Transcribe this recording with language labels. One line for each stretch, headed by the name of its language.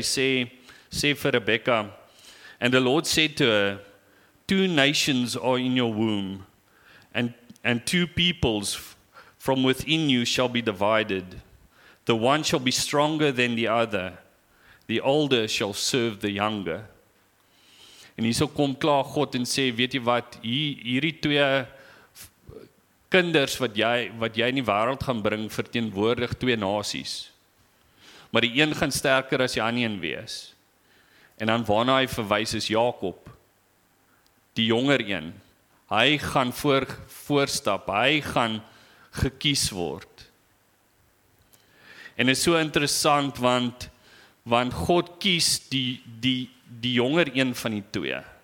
Afrikaans: Hy sê, sê vir Rebekka,
English: and the Lord said to her, two nations are in your womb, and two peoples from within you shall be divided. The one shall be stronger than the other. The older shall serve the younger.
Afrikaans: En hierso kom klaar God en sê, weet jy wat, hierdie twee kinders wat jy in die wêreld gaan bring, verteenwoordig twee nasies. Maar die een gaan sterker as die ander een wees. En dan waarna hy verwys is Jakob, die jonger een. Hy gaan voorstap, hy gaan gekies word. En is so interessant, want God kies die jonger een van die twee.